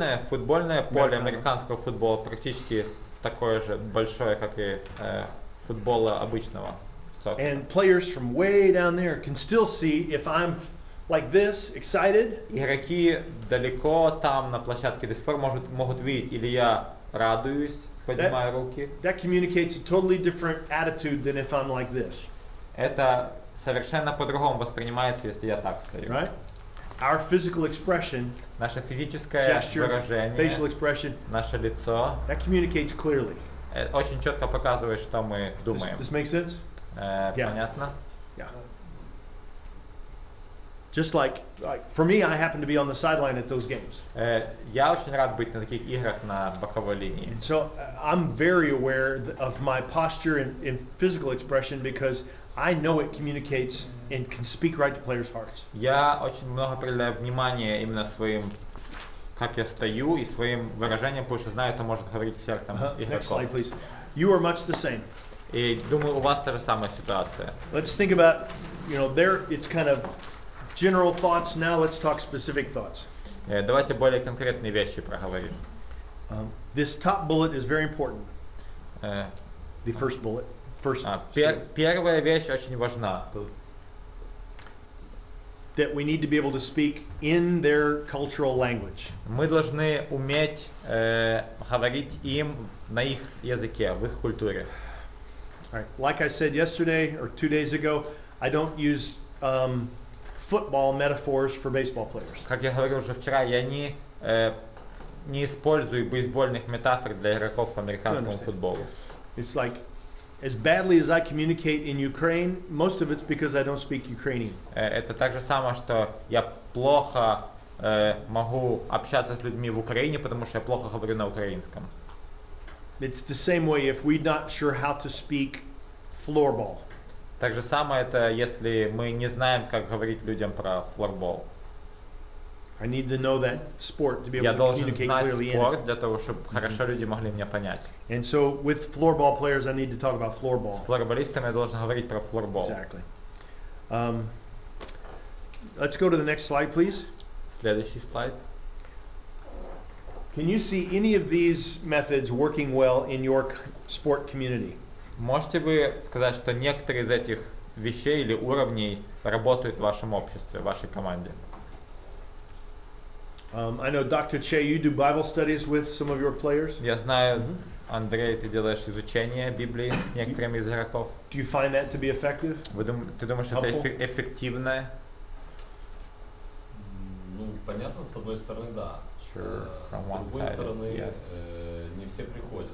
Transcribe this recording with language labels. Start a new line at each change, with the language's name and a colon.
Russian: Футбольное поле американского футбола практически такое же большое, как и футбола обычного.
English: And players from way down there can still see if I'm like this, excited.
Russian: Игроки далеко там на площадке до сих пор могут видеть, или я радуюсь, поднимаю руки.
English: That communicates a totally different attitude than if I'm like this.
Russian: Это совершенно по-другому воспринимается, если я так стою.
English: Right? Our physical expression,
Russian: наше физическое выражение,
English: facial expression,
Russian: наше лицо,
English: that communicates clearly.
Russian: Очень четко показывает, что мы думаем.
English: Does this make sense?
Russian: Yeah. Понятно?
English: Yeah. Just like for me, I happen to be on the sideline at those games.
Russian: Я очень рад быть на таких играх на боковой линии.
English: And so I'm very aware of my posture and physical expression because I know it communicates and can speak right to players' hearts.
Russian: Я очень много уделяю внимания именно своим, как я стою и своим выражением, потому что знаю, это может говорить сердцем игроков.
English: Next slide, please. You are much the same.
Russian: И думаю, у вас та же самая ситуация.
English: Let's think about, you know, there it's kind of general thoughts. Now let's talk specific thoughts.
Russian: Давайте более конкретные вещи проговорим.
English: This top bullet is very important. The first bullet.
Russian: Первая вещь очень важна.
English: That we need to be able to speak in their cultural language.
Russian: Мы должны уметь говорить им на их языке, в их культуре.
English: Alright, like I said yesterday or two days ago, I don't use football metaphors for baseball players.
Russian: Как я говорил уже вчера, я не использую бейсбольных метафор для игроков по американскому футболу.
English: It's like as badly as I communicate in Ukraine, most of it's because I don't speak Ukrainian.
Russian: Это так же самое, что я плохо могу общаться с людьми в Украине, потому что я плохо говорю на украинском.
English: It's the same way if we're not sure how to speak floorball.
Russian: Так же самое это, если мы не знаем, как говорить людям про флорбол.
English: I need to know that sport to be able
Russian: я
English: to communicate clearly.
Russian: Я должен знать спорт для того, чтобы хорошо люди могли меня понять.
English: And so with floorball players, I need to talk about floorball.
Russian: С флорболистами я должен говорить про флорбол.
English: Exactly. Let's go to the next slide, please.
Russian: Следующий слайд.
English: Can you see any of these methods working well in your sport community?
Russian: Можете вы сказать, что некоторые из этих вещей или уровней работают в вашем обществе, в вашей команде?
English: I know Dr. Che, you do Bible studies with some of your players.
Russian: Я знаю, Андрей, ты делаешь изучение Библии с некоторыми из игроков.
English: Do you find that to be effective?
Russian: Ты думаешь, это эффективно? Ну, понятно, с одной стороны, да.
English: Sure, from
Russian: с другой
English: one side
Russian: стороны,
English: is, yes.
Russian: Не все приходят.